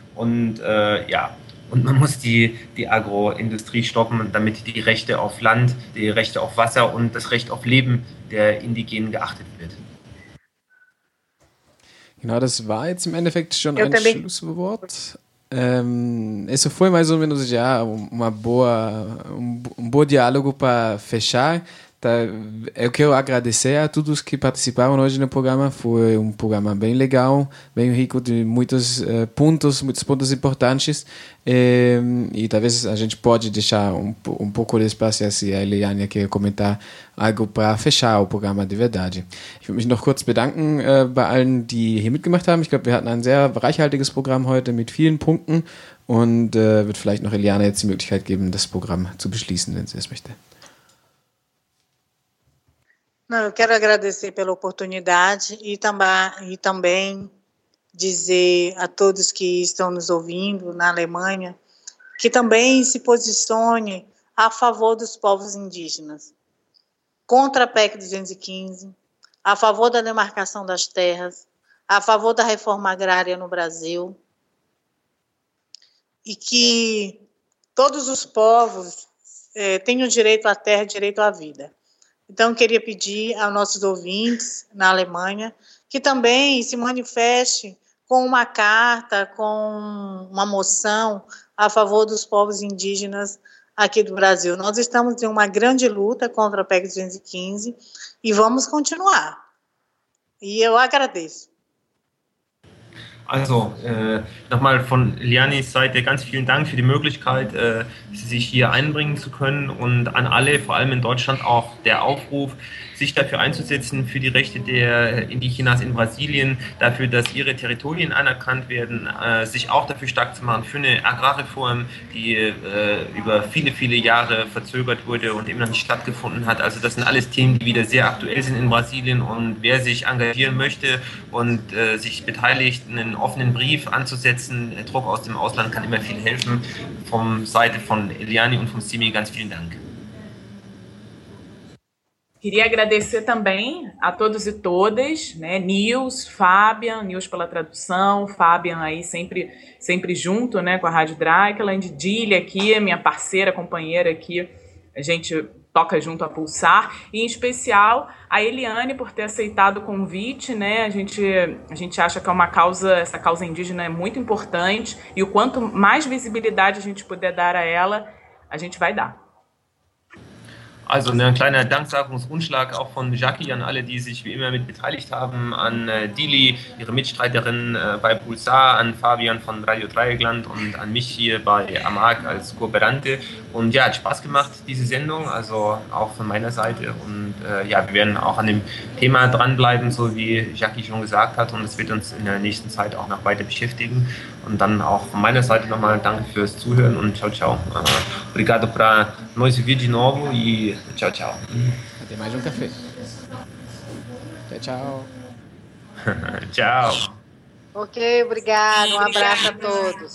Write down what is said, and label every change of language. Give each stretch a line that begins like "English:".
German: Und und man muss die Agroindustrie stoppen, damit die Rechte auf Land, die Rechte auf Wasser und das Recht auf Leben der Indigenen geachtet wird. Genau, das war jetzt im Endeffekt schon ein Schlusswort.
Portuguese: Isso foi mais ou menos já um bom diálogo para fechar. Tá, eu quero agradecer a todos que participaram hoje no programa, foi um programa bem legal, bem rico de muitos pontos importantes, e talvez a gente pode deixar um pouco de espaço, se a Eliane quer comentar algo para fechar o programa de verdade.
German: Ich will mich noch kurz bedanken bei allen, die hier mitgemacht haben. Ich glaube, wir hatten ein sehr reichhaltiges Programm heute mit vielen Punkten und wird vielleicht noch Eliane jetzt die Möglichkeit geben, das Programm zu beschließen, wenn sie es möchte.
Portuguese: Não, eu quero agradecer pela oportunidade e também dizer a todos que estão nos ouvindo na Alemanha que também se posicione a favor dos povos indígenas, contra a PEC 215, a favor da demarcação das terras, a favor da reforma agrária no Brasil, e que todos os povos tenham direito à terra e direito à vida. Então, queria pedir aos nossos ouvintes na Alemanha que também se manifeste com uma carta, com uma moção a favor dos povos indígenas aqui do Brasil. Nós estamos em uma grande luta contra a PEC 215 e vamos continuar. E eu agradeço.
German: Also, nochmal von Lianis Seite ganz vielen Dank für die Möglichkeit, sich hier einbringen zu können, und an alle, vor allem in Deutschland, auch der Aufruf, sich dafür einzusetzen, für die Rechte der Indigenas in Brasilien, dafür, dass ihre Territorien anerkannt werden, sich auch dafür stark zu machen für eine Agrarreform, die über viele, viele Jahre verzögert wurde und immer noch nicht stattgefunden hat. Also das sind alles Themen, die wieder sehr aktuell sind in Brasilien, und wer sich engagieren möchte und sich beteiligt, einen offenen Brief anzusetzen, Druck aus dem Ausland kann immer viel helfen. Von Seite von Eliane und von Simi, ganz vielen Dank.
Portuguese: Queria agradecer também a todos e todas, né? Nils, Fabian, Nils pela tradução, Fabian aí sempre junto, né, com a Rádio Draikland, Dilly aqui, minha parceira, companheira aqui, a gente toca junto a Pulsar, e em especial a Eliane por ter aceitado o convite, né? A gente acha que é uma causa, essa causa indígena é muito importante, e o quanto mais visibilidade a gente puder dar a ela, a gente vai dar.
German: Also ein kleiner Danksagungsrundschlag auch von Jackie an alle, die sich wie immer mit beteiligt haben, an Dili, ihre Mitstreiterin bei Pulsar, an Fabian von Radio Dreieckland und an mich hier bei Amag als Kooperante. Und ja, hat Spaß gemacht, diese Sendung, also auch von meiner Seite. Und ja, wir werden auch an dem Thema dranbleiben, so wie Jackie schon gesagt hat, und es wird uns in der nächsten Zeit auch noch weiter beschäftigen. Und dann auch von meiner Seite nochmal danke fürs Zuhören und ciao, ciao.
Portuguese: Obrigado para nós vir de novo e ciao, ciao. Até mais café. Tchau, tchau. Tchau. Ok, obrigado. Um abraço a todos.